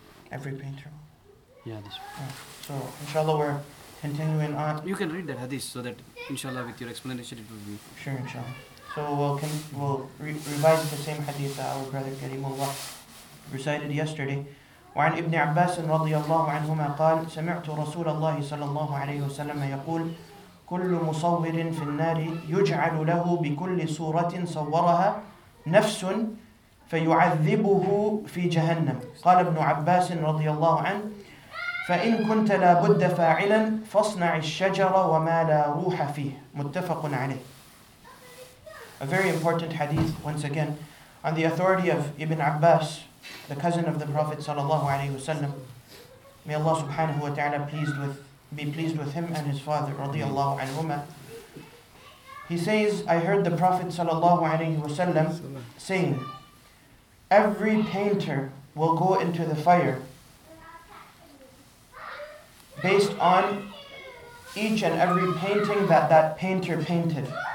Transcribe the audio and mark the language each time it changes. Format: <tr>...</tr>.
<en>Every painter? Yeah, this one. So, inshallah, we're continuing on. You can read that hadith so that, inshallah, with your explanation, it will be... Sure, inshallah. So we'll revise the same hadith that our brother Karimullah recited yesterday.</en> <ar>وعن ابن عباس رضي الله عنهما قال سمعت رسول الله صلى الله عليه وسلم يقول كل مصور في النار يجعل له بكل صورة صورها نفس فيعذبه في جهنم. قال ابن عباس رضي الله عنه فإن كنت لابد فاعلا فاصنع الشجرة وما لا روح فيه. متفق عليه.</ar> <en>A very important hadith, once again, on the authority of Ibn Abbas, the cousin of the Prophet sallallahu alayhi wa sallam. May Allah subhanahu wa ta'ala be pleased with him and his father, radiyallahu anhumah. He says, I heard the Prophet sallallahu alayhi wa sallam saying, every painter will go into the fire based on each and every painting that that painter painted.</en>